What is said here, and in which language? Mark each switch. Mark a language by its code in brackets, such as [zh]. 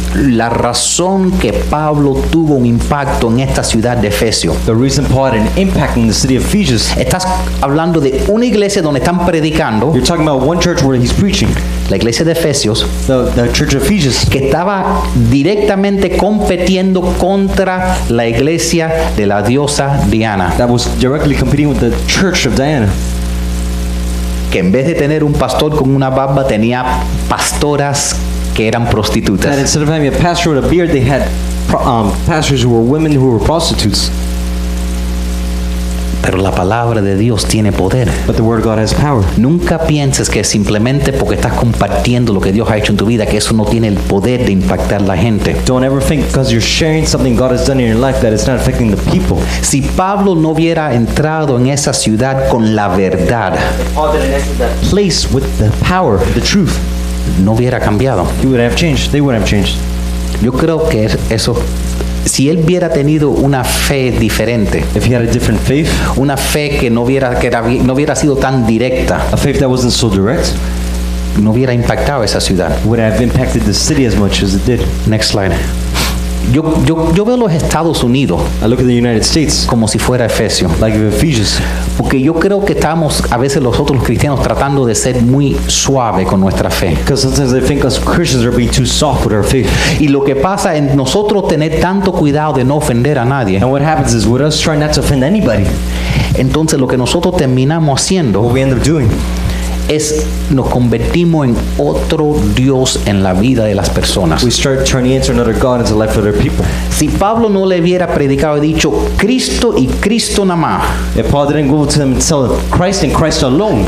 [es] La razón que Pablo tuvo un impacto en esta ciudad de Efesios. [en] The reason Paul had an impact in the city of Ephesus. [es] Estás hablando de una iglesia donde están predicando. [en] You're talking about one church where he's preaching. [es] La iglesia de Efesios. [en] The church of Ephesus. [es] Que estaba directamente compitiendo contra la iglesia de la diosa Diana. [en] That was directly competing with the church of Diana. [es] Que en vez de tener un pastor con una barba, tenía pastoras que eran prostitutas. [en] That instead of having a pastor with a beard, they had pastors who were women who were prostitutes. [es] Pero la palabra de Dios tiene poder. [en] But the word of God has power. [es] Nunca pienses que simplemente porque estás compartiendo lo que Dios ha hecho en tu vida que eso no tiene el poder de impactar la gente. [en] Don't ever think because you're sharing something God has done in your life that it's not affecting the people. [es] Si Pablo no hubiera entrado en esa ciudad con la verdad, [en] place with the power, the truth, [es] no hubiera cambiado. [en] He would have changed. They would have changed. [es] Yo creo que eso. Si él hubiera tenido una fe diferente, [en] if he had a different faith, [es] una fe que no hubiera sido tan directa, [en] a faith that wasn't so direct, [es] no hubiera impactado esa ciudad. [en] Would have impacted the city as much as it did. Next slide. [es] Yo veo los Estados Unidos, [en] I look at the United States, [es] como si fuera Efesio, [en] like Ephesians, [es] porque yo creo que estamos a veces nosotros los cristianos tratando de ser muy suave con nuestra fe. [en] Because sometimes they think us Christians are being too soft with our faith. [es] Y lo que pasa en nosotros tener tanto cuidado de no ofender a nadie. [en] And what happens is with us trying not to offend anybody. [es] Entonces lo que nosotros terminamos haciendo, [en] what we end up doing, [es] es nos convertimos en otro Dios en la vida de las personas. [en] We start turning into another God in the life of other people. [es] Si Pablo no le hubiera predicado y dicho Cristo y Cristo nada más, [en] if Paul didn't go to them and tell Christ and Christ alone,